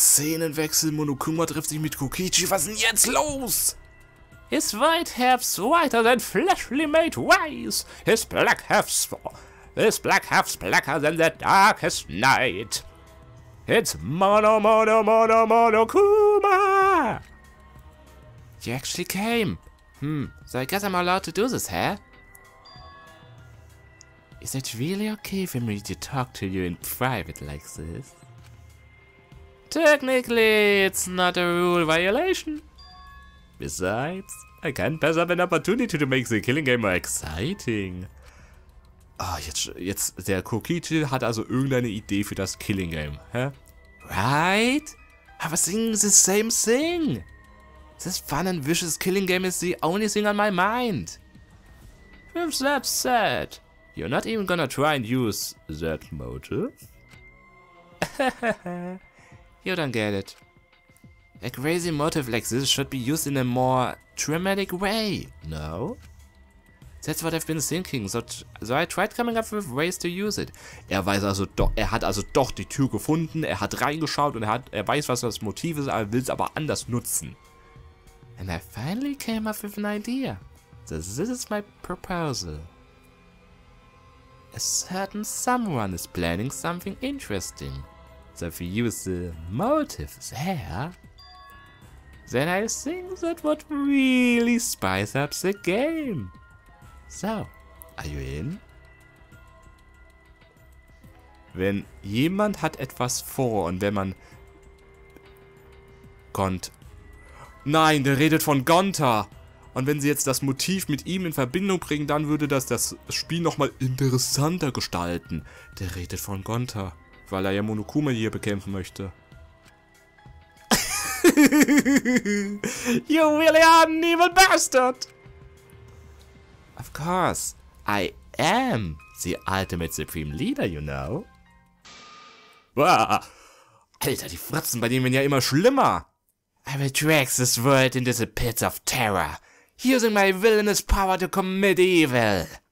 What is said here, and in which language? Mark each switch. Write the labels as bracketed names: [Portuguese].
[German] Szenenwechsel, Monokuma trifft sich mit Kokichi, was ist denn jetzt los? [English] His white half's whiter than fleshly made wise. His black half's blacker than the darkest night. It's Monokuma! You actually came. So I guess I'm allowed to do this, huh? Is it really okay for me to talk to you in private like this? Technically, it's not a rule violation. Besides, I can't pass up an opportunity to make the killing game more exciting. [German] Ah, jetzt, der Kokichi hat also irgendeine Idee für das Killing Game, hä? [English] Right? I was thinking the same thing. This fun and vicious killing game is the only thing on my mind. With that said, you're not even gonna try and use that motive? You don't get it. A crazy motive like this should be used in a more dramatic way, no? That's what I've been thinking, so I tried coming up with ways to use it. [German] Er hat also doch die Tür gefunden, er hat reingeschaut und er weiß, was das Motiv ist, er will es aber anders nutzen. [English] And I finally came up with an idea. This is my proposal. A certain someone is planning something interesting. So if you use the motive there, then I think that would really spice up the game. So, are you in? [German] Wenn jemand hat etwas vor und wenn man... Nein, der redet von Gonta! Und wenn sie jetzt das Motiv mit ihm in Verbindung bringen, dann würde das Spiel nochmal interessanter gestalten. Der redet von Gonta, weil er ja Monokuma hier bekämpfen möchte. [English] You really are an evil bastard! Of course, I am the ultimate supreme leader, you know. Wow. [German] Alter, die Fratzen bei denen werden ja immer schlimmer. [English] I will drag this world into the pits of terror, using my villainous power to commit evil.